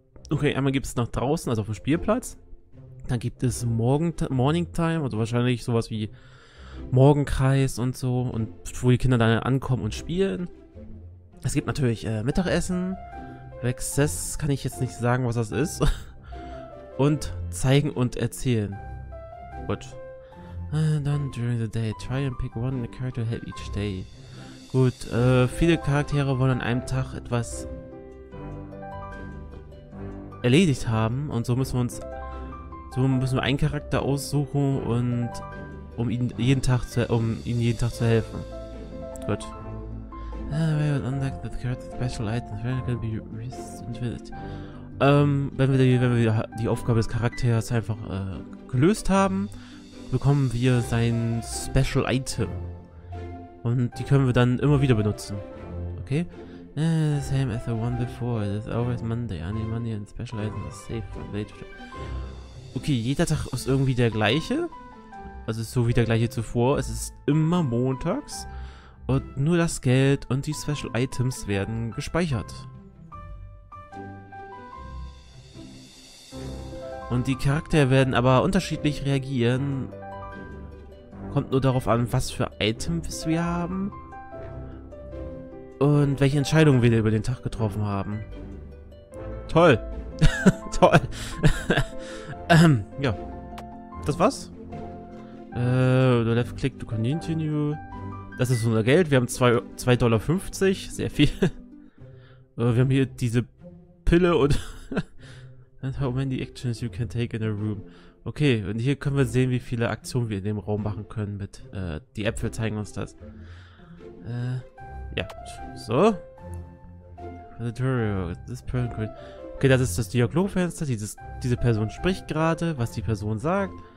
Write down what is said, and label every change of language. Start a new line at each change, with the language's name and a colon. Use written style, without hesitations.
German: Okay, einmal gibt es nach draußen, also auf dem Spielplatz. Dann gibt es Morning Time, also wahrscheinlich sowas wie Morgenkreis und so. Und wo die Kinder dann ankommen und spielen. Es gibt natürlich Mittagessen. Access kann ich jetzt nicht sagen, was das ist. Und zeigen und erzählen. Gut.
English: And then during the day, try and pick one character to help each day.
German: Gut, viele Charaktere wollen an einem Tag etwas erledigt haben und so müssen wir einen Charakter aussuchen und um ihnen jeden Tag zu helfen. Gut.
English: Unlock the character special items.
German: Wenn wir die Aufgabe des Charakters einfach gelöst haben, bekommen wir sein Special Item. Und die können wir dann immer wieder benutzen.
English: Okay? Same as the one before. It's always Monday. Any Monday and Special Item is safe from late.
German: Okay, jeder Tag ist irgendwie der gleiche. Also ist so wie der gleiche zuvor. Es ist immer montags. Und nur das Geld und die Special Items werden gespeichert. Und die Charaktere werden aber unterschiedlich reagieren. Kommt nur darauf an, was für Items wir haben. Und welche Entscheidungen wir über den Tag getroffen haben. Toll. Toll. ja. Das war's.
English: Left click to continue.
German: Das ist unser Geld. Wir haben 2,50 Dollar. Sehr viel. wir haben hier diese Pille und...
English: And how many actions you can take in a room.
German: Okay, und hier können wir sehen, wie viele Aktionen wir in dem Raum machen können mit, die Äpfel zeigen uns das. Ja, so. Okay, das ist das Dialogfenster, diese Person spricht gerade, was die Person sagt.